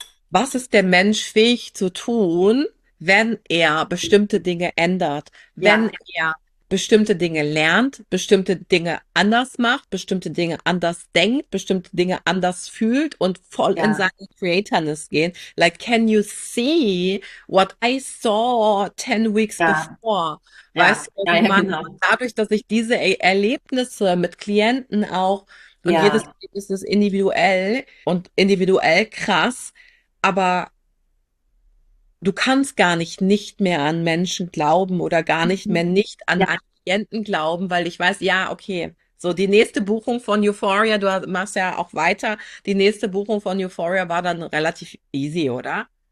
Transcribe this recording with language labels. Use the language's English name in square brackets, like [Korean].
[German] Was ist der Mensch fähig zu tun, wenn er bestimmte Dinge ändert, wenn Ja. er bestimmte Dinge lernt, bestimmte Dinge anders macht, bestimmte Dinge anders denkt, bestimmte Dinge anders fühlt und voll in Ja. seine Creatorness gehen. [English] Like, can you see what I saw 10 weeks [German] Ja. [English] before? [German] Weißt Ja, du, was ich meine? genau. Dadurch, dass ich diese Erlebnisse mit Klienten auch und jedes Ja. Erlebnis ist individuell und individuell krass, aber du kannst gar nicht mehr an Menschen glauben oder gar nicht mehr nicht an Klienten glauben, weil ich weiß, ja, okay, so die nächste Buchung von Euphoria, du machst ja auch weiter, die nächste Buchung von Euphoria war dann relativ easy, oder?